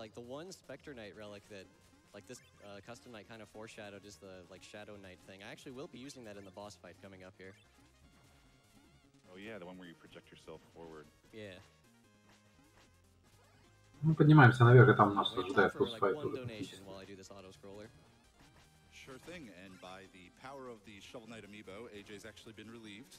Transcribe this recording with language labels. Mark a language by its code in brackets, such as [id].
[en] Custom Knight kind of foreshadowed is the like Shadow Knight thing. I actually will be using that in the boss fight coming up here. Oh yeah, the one where you project yourself forward. Yeah. [ru] Мы поднимаемся наверх, и там нас ожидает босс файт. [en] While I do this auto scroller. Sure thing. And by the power of the Shovel Knight amiibo, AJ's actually been relieved.